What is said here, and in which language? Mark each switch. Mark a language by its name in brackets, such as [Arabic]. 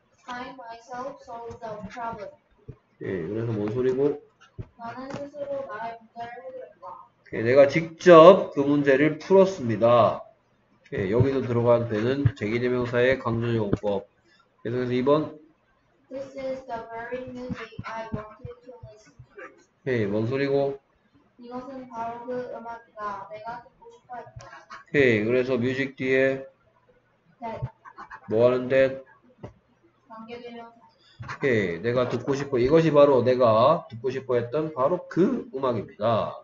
[English] I myself solve the problem. [Korean] 예, 그래서 뭔 소리고? 나는 스스로 나의 문제를 해결했다. 예, 내가 직접 그 문제를 풀었습니다. 예, 여기도 들어가야 되는 재기대명사의 강조요법. 계속해서 2번. [English] This is the very music I wanted to listen to. [Korean] 예, 뭔 소리고? 이것은 바로 그 음악이다. 내가 오케이. 그래서 뮤직 뒤에 뭐 하는데? 오케이. 내가 듣고 싶어. 이것이 바로 내가 듣고 싶어 했던 바로 그 음악입니다.